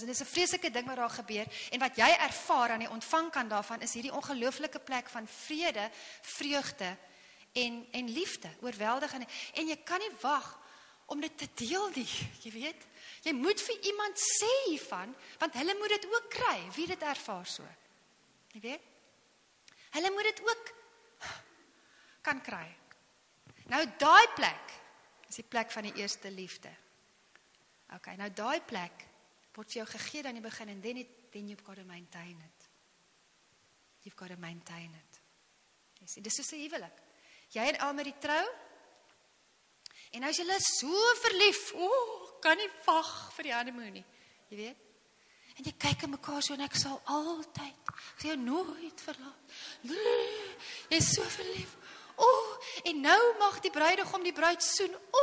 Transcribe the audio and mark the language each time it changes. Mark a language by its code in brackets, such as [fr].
[af] En dit is 'n vreselike ding wat daar gebeur. En wat jy ervaar aan die ontvang kan daarvan, is hierdie ongelooflike plek van vrede, vreugde en liefde, oorweldigende. En jy kan nie wag om dit te deel nie, jy weet. Jy moet vir iemand sê hiervan, want hulle moet dit ook kry, wie dit ervaar so. Jy weet. Hulle moet dit ook kan kry. Nou, daai plek, is die plek van die eerste liefde. Ok, nou daai plek, word vir jou gegee aan die begin, en [en] then, then you've got to maintain it. You've got to maintain it. [af] Jy sê, dis soos die huwelik. Jy en Almer die trou, en as julle so verlief, kan nie wag vir die honeymoon nie, jy weet, en jy kyk in mekaar so, en ek sal altyd, ek sal jou nooit verlaat, jy is so verlief, en nou mag die bruidegom die bruid soen,